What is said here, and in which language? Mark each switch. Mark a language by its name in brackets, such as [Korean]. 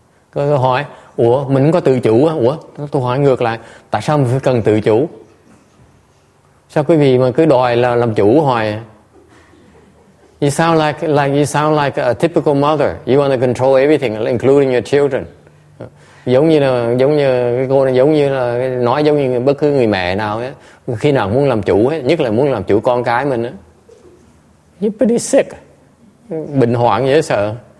[Vietnamese] Câu hỏi, ủa, mình có tự chủ á? Ủa, tôi hỏi ngược lại, tại sao mình phải cần tự chủ? Sao quý vị mà cứ đòi là làm chủ hoài? [English] You sound like you sound like a typical mother. You want to control everything, including your children. [Vietnamese] Giống như nói giống như bất cứ người mẹ nào ấy, khi nào muốn làm chủ ấy, nhất là muốn làm chủ con cái mình. Ấy. [English] You're pretty sick. [Vietnamese] Bệnh hoạn dễ sợ.